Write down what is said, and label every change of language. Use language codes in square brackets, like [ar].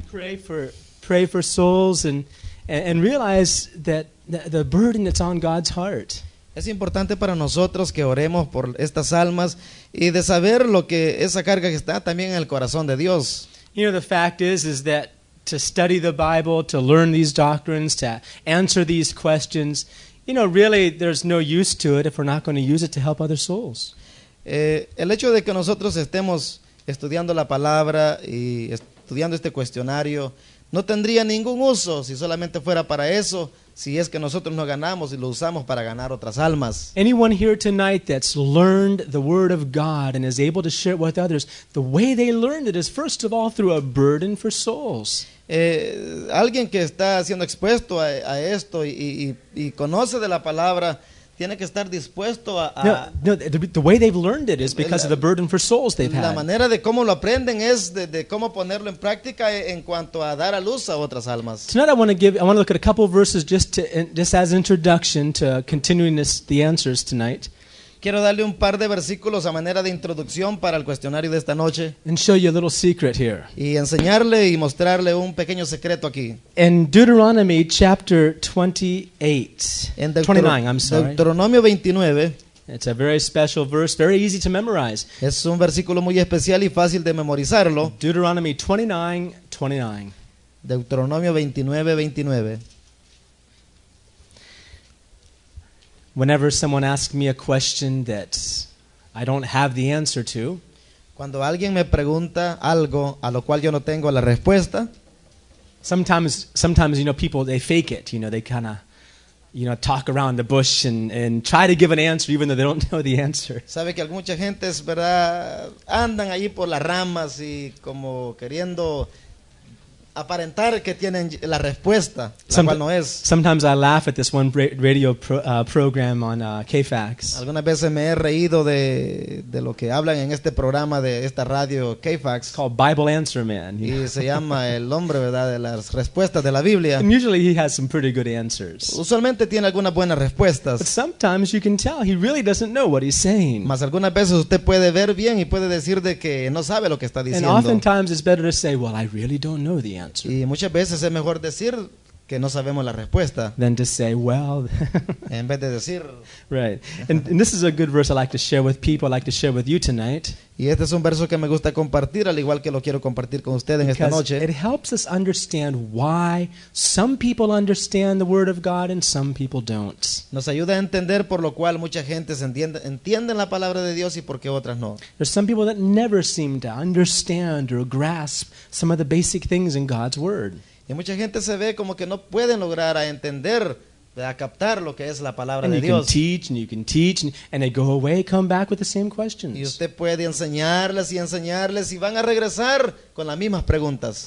[en] pray for souls and realize that the burden that's on God's heart. [es] Es importante para nosotros que oremos por estas almas y de saber lo que esa carga que está también en el corazón de Dios. [en] You know, the fact is that to study the Bible, to learn these doctrines, to answer these questions, you know, really there's no use to it if we're not going to use it to help other souls. [es] El hecho de que nosotros estemos estudiando la palabra y estudiando este cuestionario no tendría ningún uso si solamente fuera para eso, si es que nosotros no ganamos y lo usamos para ganar otras almas. [en] Anyone here tonight that's learned the word of God and is able to share it with others, the way they learned it is first of all through a burden for souls. [es] Alguien que está siendo expuesto a esto y conoce de la palabra tiene que estar dispuesto [en] the way they've learned it is because of the burden for souls they've had. [es] La manera de cómo lo aprenden es de cómo ponerlo en práctica en cuanto a dar a luz a otras almas. [en] Tonight I want to look at a couple of verses just as introduction to continuing the answers tonight. [es] Quiero darle un par de versículos a manera de introducción para el cuestionario de esta noche. [en] And show you a little secret here. [es] Y enseñarle y mostrarle un pequeño secreto aquí. [en] In Deuteronomy chapter 28. 29, I'm sorry. [es] Deuteronomio 29. [en] It's a very special verse, very easy to memorize. [es] Es un versículo muy especial y fácil de memorizarlo. [en] Deuteronomy 29, 29. [es] Deuteronomio 29, 29. [en] Whenever someone asks me a question that I don't have the answer to, [es] cuando alguien me pregunta algo a lo cual yo no tengo la respuesta, [en] sometimes you know people they fake it, you know they kind of you know talk around the bush and try to give an answer even though they don't know the answer. [es] Sabe que mucha gente es verdad andan ahí por las ramas y como queriendo aparentar que tienen la respuesta, la cual no es. [en] Sometimes I laugh at this one radio program on KFAX. [es] Algunas veces me he reído de lo que hablan en este programa de esta radio KFAX. [en] Called Bible Answer Man. [es] Y se llama el hombre, ¿verdad?, de las respuestas de la Biblia. [en] And usually he has some pretty good answers. [es] Usualmente tiene algunas buenas respuestas. [en] But sometimes you can tell he really doesn't know what he's saying. [es] Mas algunas veces usted puede ver bien y puede decir de que no sabe lo que está diciendo. [en] And oftentimes it's better to say, well, I really don't know the answer. [es] Y muchas veces es mejor decir que no sabemos la respuesta. [en] Than to say, well. [es] En vez de decir. [en] Right. And this is a good verse I like to share with people. I like to share with you tonight. [es] Y este es un verso que me gusta compartir, al igual que lo quiero compartir con ustedes esta noche. [en] It helps us understand why some people understand the word of God and some people don't. [es] Nos ayuda a entender por lo cual mucha gente entiende la palabra de Dios y por qué otras no. [en] There's some people that never seem to understand or grasp some of the basic things in God's word. [es] Y mucha gente se ve como que no pueden lograr a entender, a captar lo que es la palabra [en] and [es] de Dios. [en] And you can teach and you can teach and they go away, come back with the same questions. [es] Y usted puede enseñarles y van a regresar con las mismas preguntas.